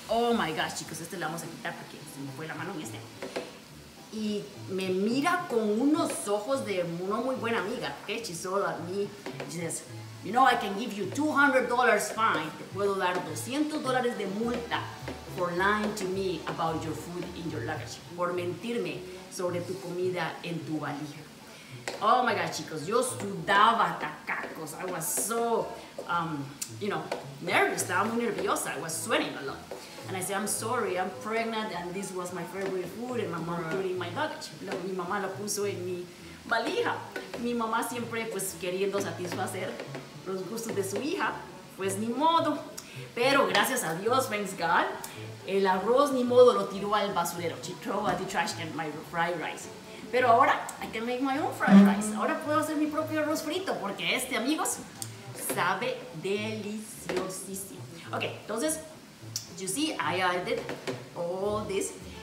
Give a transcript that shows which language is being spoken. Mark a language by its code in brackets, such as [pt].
[en] Oh my gosh, [es] chicos, este lo vamos a quitar porque se me fue la mano en este. Y me mira con unos ojos de una muy buena amiga. [en] Okay? She saw at me. She says, you know, I can give you $200 fine. [es] Te puedo dar $200 de multa [en] for lying to me about your food in your luggage. [es] Por mentirme sobre tu comida en tu valija. [en] Oh my God, [es] chicos, yo sudaba tacacos. [en] I was so, you know, nervous. [es] Estaba muy nerviosa. [en] I was sweating a lot. And I said, I'm sorry, I'm pregnant, and this was my favorite food, and my mom put it in my luggage. [es] Mi mamá lo puso en mi valija. Mi mamá siempre, pues, queriendo satisfacer los gustos de su hija, pues, ni modo. Pero gracias a Dios, [en] thanks God, [es] el arroz ni modo lo tiró al basurero. [en] She threw at the trash can my fried rice. [es] Pero ahora, [en] I can make my own fried rice. [es] Ahora puedo hacer mi propio arroz frito, porque este, amigos, sabe deliciosísimo. [en] Ok, entonces, you see, I added all this.